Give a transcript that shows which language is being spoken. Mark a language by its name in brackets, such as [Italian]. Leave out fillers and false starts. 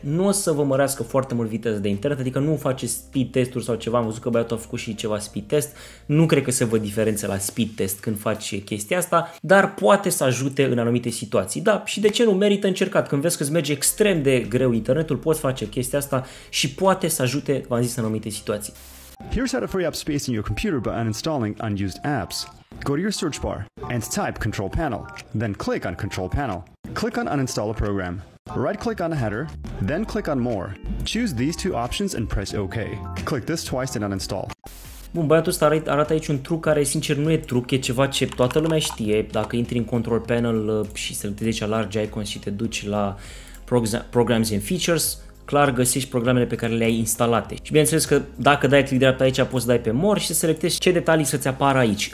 [Romanian] Nu o să vă mărească foarte mult viteza de internet, adică nu faceți speed testuri sau ceva, am văzut că băiatul a făcut și ceva speed test, nu cred că se văd diferențe la speed test când faci chestia asta, dar poate să ajute în anumite situații. Da, și de ce nu, merită încercat, când vezi că îți merge extrem de greu internetul, poți face chestia asta și poate să ajute, v-am zis, în anumite situații. [English] Here's how to free up space in your computer by uninstalling unused apps. Go to your search bar and type control panel, then click on control panel. Click on uninstall a program. Right click on a header, then click on more. Choose these two options and press OK. Click this twice and uninstall. [Romanian] Bun, băiatul ăsta arată aici un truc care, sincer, nu e truc, e ceva ce toată lumea știe. Dacă intri în control panel și selectezi large icons și te duci la programs and features, clar găsești programele pe care le-ai instalate. Și bineînțeles că dacă dai click dreapta aici, poți să dai pe more și să selectezi ce detalii să-ți apară aici.